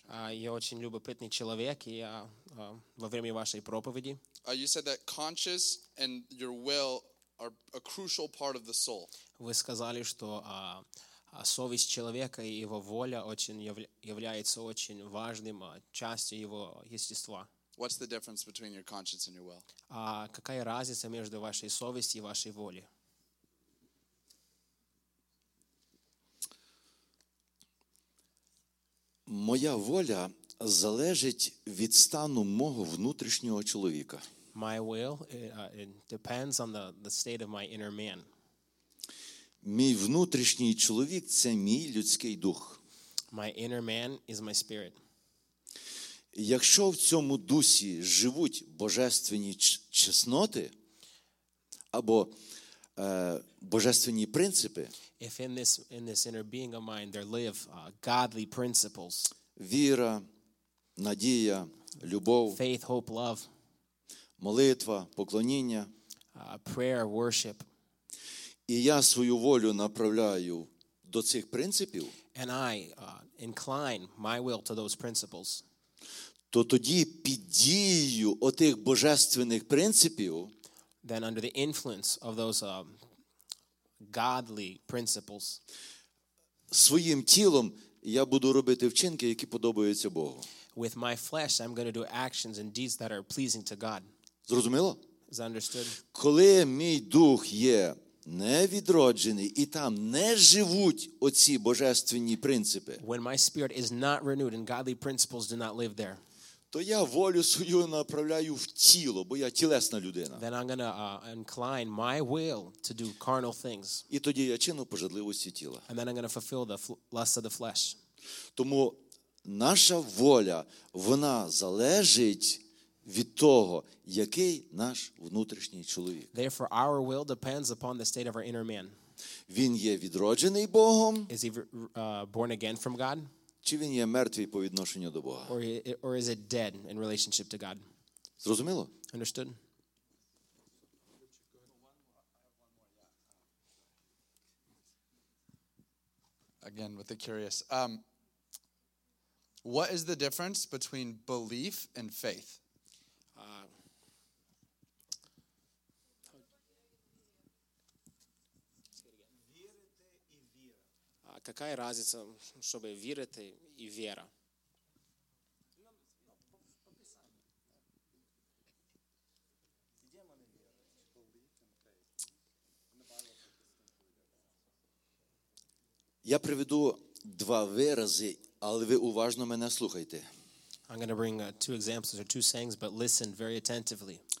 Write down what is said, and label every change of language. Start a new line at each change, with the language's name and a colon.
Russian: я очень любопытный человек, и я во время вашей проповеди.
English: You said that conscience and your will are a crucial part of the soul.
Russian: Вы сказали, что совесть человека и его воля очень является очень важным частью его естества.
English: What's the difference between your conscience and your will?
Russian: Какая разница между вашей совестью и вашей волей?
Ukrainian: Моя воля залежить від стану мого внутрішнього чоловіка.
English: My will it depends on the state of my inner man.
Ukrainian: Мій внутрішній чоловік це мій людський дух.
English: My inner man is my spirit.
Ukrainian: Якщо в цьому дусі живуть божественні чесноти або божественні принципи,
English: if in this inner being of mine there live godly principles.
Ukrainian: Віра, надія, любов,
English: faith, hope, love,
Ukrainian: молитва, поклоніння,
English: prayer, worship.
Ukrainian: І я свою волю направляю до цих принципів,
English: and I incline my will to those principles.
Ukrainian: То тоді під дією отих божественних принципів,
English: then under the influence of those godly principles,
Ukrainian: своїм тілом я буду робити вчинки, які подобаються Богу.
English: With my flesh, I'm going to do actions and deeds that are pleasing to God.
Ukrainian: Зрозуміло?
English: Is understood?
Ukrainian: Коли мій дух є невідроджений і там не живуть оці божественні принципи,
English: when my spirit is not renewed and godly principles do not live there,
Ukrainian: то я волю свою направляю в тіло, бо я тілесна людина.
English: Then I'm going to incline my will to do carnal things.
Ukrainian: І тоді я чину пожадливості тіла.
English: And then I'm going to fulfill the lust of the flesh.
Ukrainian: Тому наша воля, вона залежить від того, який наш внутрішній чоловік.
English: Therefore our will depends upon the state of our inner man.
Ukrainian: Він є відроджений Богом?
English: Is he born again from God?
Ukrainian: Чи він є мертвий по відношенню до Бога?
English: Or is it dead in relationship to God?
Ukrainian: Зрозуміло?
English: Understood? Again with the curious. What is the difference between belief and faith?
Russian: Какая разница, чтобы верить и вера?
Ukrainian: Я приведу два вирази, але ви уважно мене слухайте.
English: I'm going to bring two examples or two sayings, but listen very attentively.